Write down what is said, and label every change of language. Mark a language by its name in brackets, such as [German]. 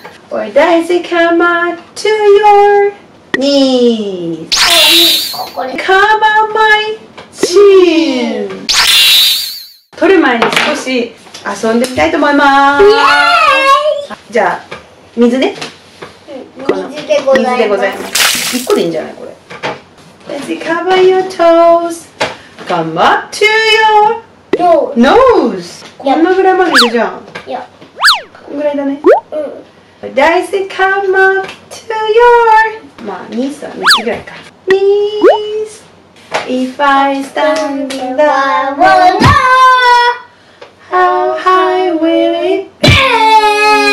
[English] Or does it come up to your knees? Come on my chin. [Japanese] 撮る前に少し遊んでみたいと思いまーす。じゃあ、水ね。水でございます。一個でいいんじゃないこれ。 [English] Does it cover your toes? Come up to your nose. [Japanese] こんなぐらいまでいるじゃん。こんぐらいだね。 [English] Does it come up to your? [Japanese] まあ、knees は3つぐらいか。 [English] Knees. If I stand in the water, how high will it?